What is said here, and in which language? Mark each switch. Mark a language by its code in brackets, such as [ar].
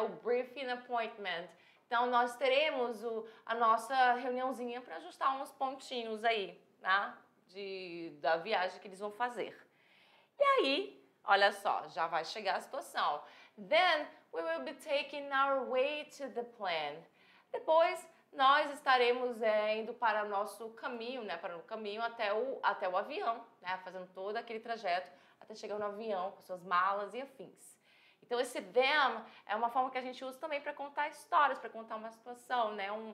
[pt] O [en] briefing appointment. [pt] Então nós teremos a nossa reuniãozinha para ajustar uns pontinhos aí, né? Da viagem que eles vão fazer. E aí, olha só, já vai chegar a situação. [en] Then we will be taking our way to the plan. [pt] Depois, nós estaremos indo para o nosso caminho, né? Para o caminho até o avião, né? Fazendo todo aquele trajeto até chegar no avião com suas malas e afins. Então, esse them é uma forma que a gente usa também para contar histórias, para contar uma situação, né?